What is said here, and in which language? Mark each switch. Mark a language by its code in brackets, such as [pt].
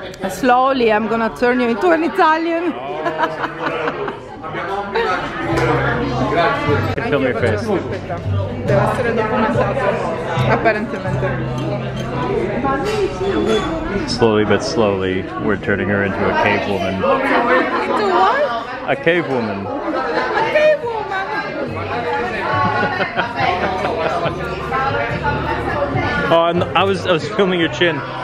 [en] Slowly I'm gonna turn you into an Italian. [it] Grazie. [en] Film your face. [it] Deve essere documentato. Apparentemente. [en] Slowly but slowly we're turning her into a cave woman. Into what? A cave woman. A cave woman. Oh, I was filming your chin.